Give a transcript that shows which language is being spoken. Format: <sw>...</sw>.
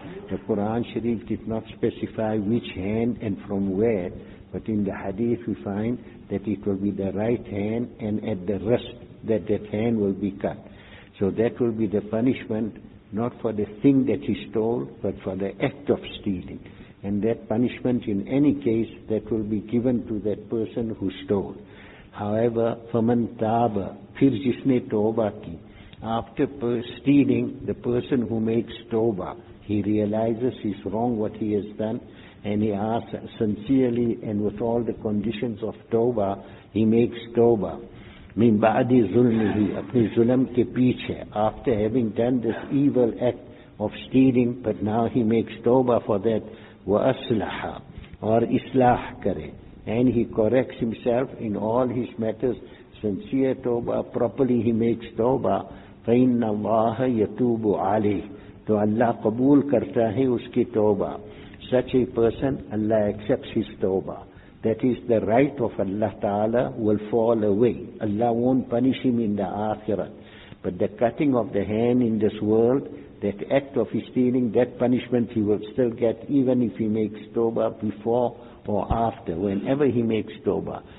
<en>The Quran Sharif did not specify which hand and from where, but in the hadith we find that it will be the right hand and at the wrist that hand will be cut. So that will be the punishment, not for the thing that he stole, but for the act of stealing. And that punishment, in any case, that will be given to that person who stole. However,</en> <ar>فَمَنْ تَابَ</ar> <ur>پھر جس نے توبہ کی.</ur> <en>After stealing, the person who makes توبہ, he realizes he's wrong what he has done, and he asks sincerely and with all the conditions of توبہ, he makes توبہ.</en> <ar>مِن بَعْدِ ظُلْمِهِ</ar> <ur>اپنی ظلم کے پیچھے.</ur> <en>After having done this evil act of stealing, but now he makes توبہ for that.</en> <ar>وَأَصْلَحَ</ar> <ur>اور اصلاح کرے.</ur> <en>And he corrects himself in all his matters, sincere tawbah, properly he makes tawbah.</en> <ar>فَإِنَّ اللَّهَ يَتُوبُ عَلِهِ</ar> <ur>تو اللہ قبول کرتا ہے اس کی توبہ.</ur> <en>Such a person, Allah accepts his tawbah. That is, the right of Allah Ta'ala will fall away. Allah won't punish him in the akhirat. But the cutting of the hand in this world, that act of his stealing, that punishment he will still get, even if he makes tawbah before or after, whenever he makes tawbah.</en>